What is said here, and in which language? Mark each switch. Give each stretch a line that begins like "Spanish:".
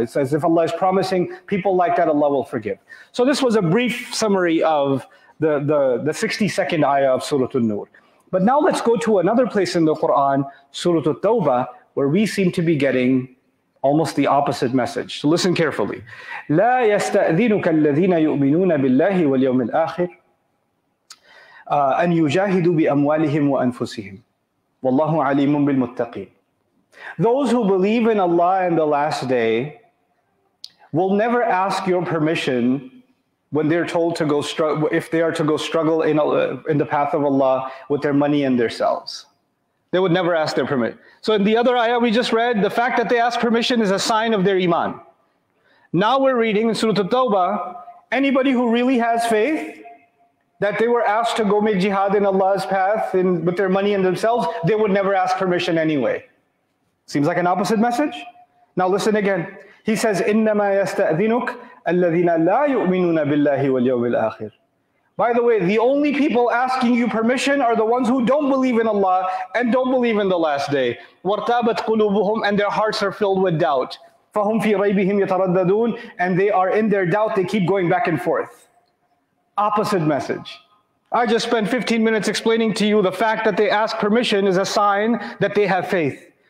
English: It says if Allah is promising people like that, Allah will forgive. So this was a brief summary of the 62nd ayah of Surah An-Nur. But now let's go to another place in the Quran, Surah At-Tawbah, where we seem to be getting almost the opposite message. So listen carefully.
Arabic: لا يستأذنك الذين يؤمنون بالله واليوم الآخر أن يجاهدوا بأموالهم وأنفسهم والله عليم بالمتقين.
English: Those who believe in Allah and the last day will never ask your permission when they're told to go struggle in the path of Allah with their money and their selves. They would never ask their permission. So in the other ayah we just read, the fact that they ask permission is a sign of their iman. Now we're reading in Surah At-Tawbah, anybody who really has faith, that they were asked to go make jihad in Allah's path with their money and themselves, they would never ask permission anyway. Seems like an opposite message. Now listen again. He says,
Arabic: إِنَّمَا يَسْتَأْذِنُكَ الَّذِينَ لَا يُؤْمِنُونَ بِاللَّهِ وَالْيَوْمِ الْآخِرِ.
English: By the way, the only people asking you permission are the ones who don't believe in Allah and don't believe in the last day.
Arabic: وَرْتَابَتْ قُلُوبُهُمْ
English: and their hearts are filled with doubt.
Arabic: فَهُمْ فِي رَيْبِهِمْ يَتَرَدَّدُونَ
English: and they are in their doubt, they keep going back and forth. Opposite message. I just spent 15 minutes explaining to you the fact that they ask permission is a sign that they have faith.